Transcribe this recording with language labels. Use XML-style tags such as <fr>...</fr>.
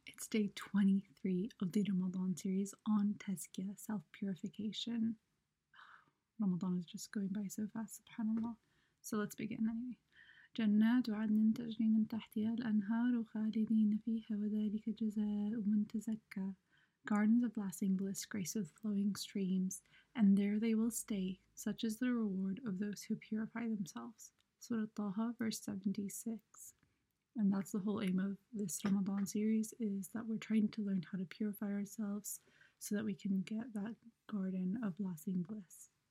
<en>It's day 23 of the Ramadan series on Tazkiyah, self-purification. Ramadan is just going by so fast, subhanAllah. So let's begin anyway.</en> <ar>جنات عدن تجري من تحتها الأنهار خالدين فيها وذلك جزاء من تزكى.</ar> <en>Gardens of blessing, bliss, grace with flowing streams, and there they will stay, such is the reward of those who purify themselves. Surah Taha, verse 76. And that's the whole aim of this Ramadan series, is that we're trying to learn how to purify ourselves so that we can get that garden of lasting bliss.</en>